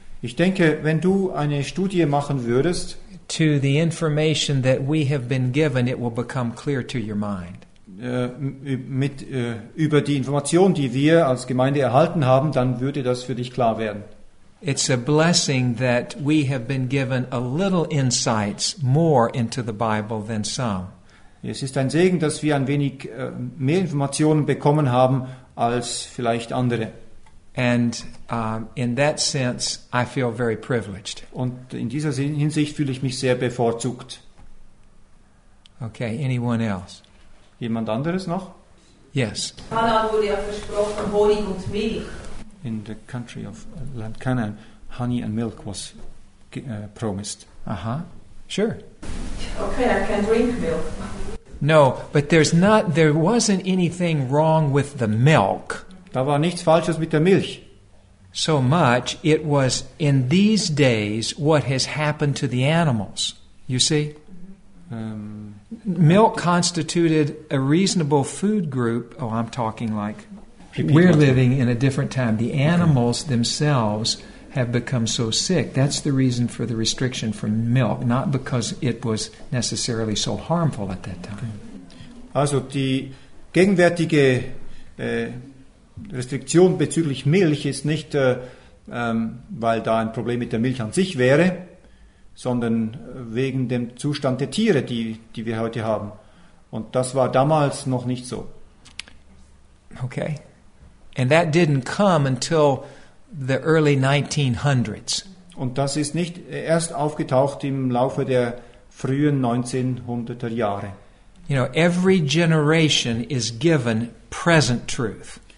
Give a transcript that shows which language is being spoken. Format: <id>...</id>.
<de>ich denke, wenn du eine Studie machen würdest,</de> <en>to the information that we have been given, it will become clear to your mind.</en> <de>Über die Information, die wir als Gemeinde erhalten haben, dann würde das für dich klar werden.</de> <en>It's a blessing that we have been given a little insights more into the Bible than some.</en> <de>Es ist ein Segen, dass wir ein wenig mehr Informationen bekommen haben als vielleicht andere.</de> <en>And in that sense, I feel very privileged.</en> <de>Und in dieser Hinsicht fühle ich mich sehr bevorzugt.</de> <en>Okay, anyone else?</en> <de>Jemand anderes noch?</de> <en>Yes.</en> <de>Hanna wurde ja versprochen, Honig und Milch.</de> <en>In the country of Land Canaan, honey and milk was promised. Uh-huh. Sure. Okay, I can drink milk. No, but there wasn't anything wrong with the milk. Da war nichts Falsches mit der Milch. So much, it was in these days what has happened to the animals. You see? Milk constituted a reasonable food group. Oh, I'm talking like... We're living in a different time. The animals themselves have become so sick. That's the reason for the restriction from milk, not because it was necessarily so harmful at that time.</en> <de>Also die gegenwärtige Restriktion bezüglich Milch ist nicht, weil da ein Problem mit der Milch an sich wäre, sondern wegen dem Zustand der Tiere, die wir heute haben. Und das war damals noch nicht so.</de> <en>Okay. And that didn't come until the early 1900s.</en> <de>Und das ist nicht erst aufgetaucht im Laufe der frühen 1900er Jahre.</de> <en>You know, every generation is given present truth.</en>